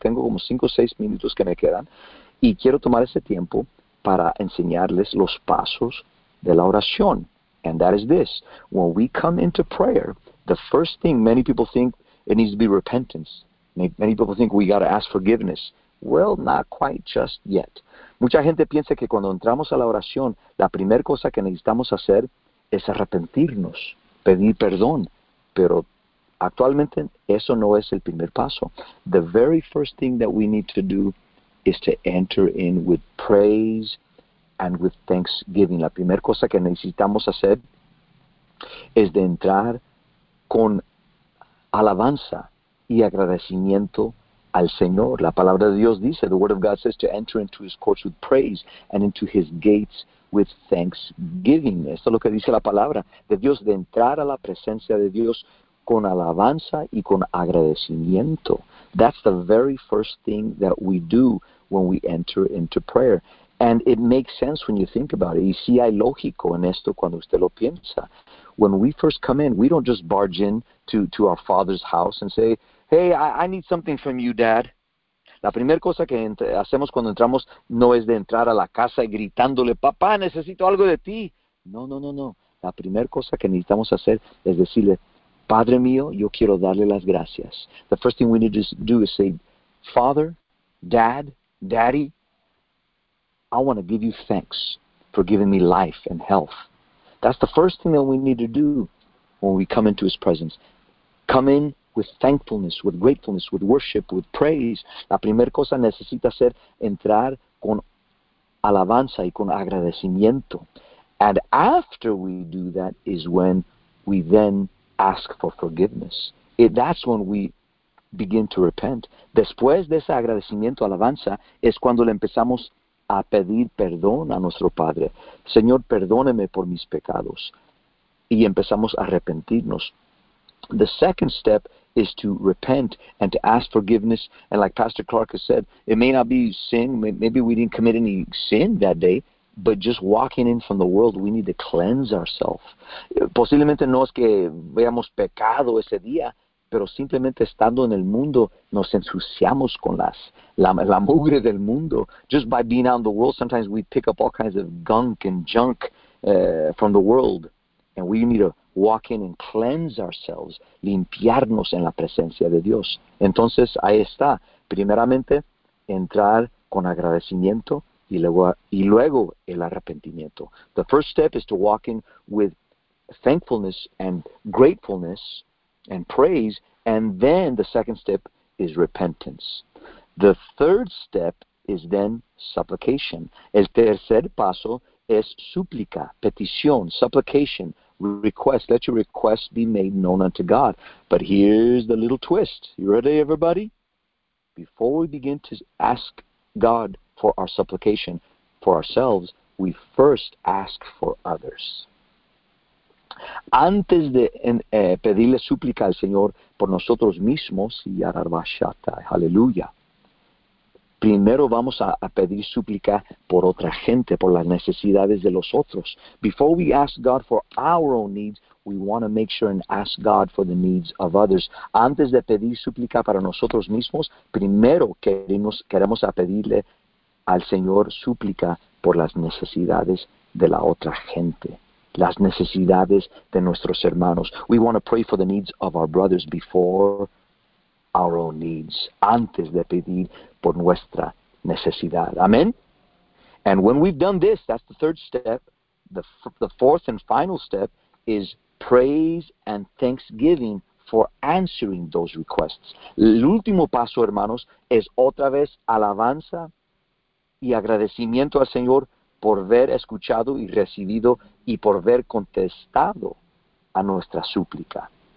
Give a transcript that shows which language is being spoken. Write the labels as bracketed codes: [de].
[es] Tengo como 5 o 6 minutos que me quedan. Y quiero tomar ese tiempo para enseñarles los pasos de la oración. [en] And that is this. When we come into prayer, the first thing many people think, it needs to be repentance. Many people think we got to ask forgiveness. Well, not quite just yet. [es] Mucha gente piensa que cuando entramos a la oración, la primera cosa que necesitamos hacer es arrepentirnos, pedir perdón. Pero actualmente eso no es el primer paso. [en] The very first thing that we need to do is to enter in with praise and with thanksgiving. [es] La primera cosa que necesitamos hacer es de entrar con alabanza y agradecimiento al Señor. La palabra de Dios dice, [en] the word of God says to enter into his courts with praise and into his gates with thanksgiving. [es] Esto es lo que dice la palabra de Dios, de entrar a la presencia de Dios con alabanza y con agradecimiento. [en] That's the very first thing that we do when we enter into prayer. And it makes sense when you think about it. [es] Y sí hay lógico en esto cuando usted lo piensa. [en] When we first come in, we don't just barge in to our father's house and say, hey, I need something from you, Dad. [es] La primera cosa que hacemos cuando entramos no es de entrar a la casa y gritándole, papá, necesito algo de ti. No. La primera cosa que necesitamos hacer es decirle, Padre mío, yo quiero darle las gracias. [en] The first thing we need to do is say, Father, Dad, Daddy, I want to give you thanks for giving me life and health. That's the first thing that we need to do when we come into his presence. Come in with thankfulness, with gratefulness, with worship, with praise. [es] La primera cosa necesita ser entrar con alabanza y con agradecimiento. [en] And after we do that is when we then ask for forgiveness. That's when we begin to repent. [es] Después de ese agradecimiento, alabanza, es cuando le empezamos a pedir perdón a nuestro Padre. Señor, perdóneme por mis pecados. Y empezamos a arrepentirnos. [en] The second step is to repent and to ask forgiveness. And like Pastor Clark has said, it may not be sin. Maybe we didn't commit any sin that day. But just walking in from the world, we need to cleanse ourselves. [es] Posiblemente no es que veamos pecado ese día, pero simplemente estando en el mundo, nos ensuciamos con la mugre del mundo. [en] Just by being out in the world, sometimes we pick up all kinds of gunk and junk from the world. And we need to walk in and cleanse ourselves, [es] limpiarnos en la presencia de Dios. Entonces, ahí está. Primeramente, entrar con agradecimiento y luego el arrepentimiento. [en] The first step is to walk in with thankfulness and gratefulness and praise, and then the second step is repentance. The third step is then supplication. [es] El tercer paso es súplica, petición, [en] supplication, request. Let your request be made known unto God. But here's the little twist. You ready, everybody? Before we begin to ask God for our supplication for ourselves, we first ask for others. [es] Antes de pedirle súplica al Señor por nosotros mismos, y arabashata, aleluya, primero vamos a pedir súplica por otra gente, por las necesidades de los otros. [en] Before we ask God for our own needs, we want to make sure and ask God for the needs of others. [es] Antes de pedir súplica para nosotros mismos, primero queremos a pedirle al Señor súplica por las necesidades de la otra gente. Las necesidades de nuestros hermanos. [en] We want to pray for the needs of our brothers before our own needs. [es] Antes de pedir por nuestra necesidad. Amen. [en] And when we've done this, that's the third step. The fourth and final step is praise and thanksgiving for answering those requests. [es] El último paso, hermanos, es otra vez alabanza y agradecimiento al Señor por haber escuchado y recibido y por haber contestado a nuestra súplica.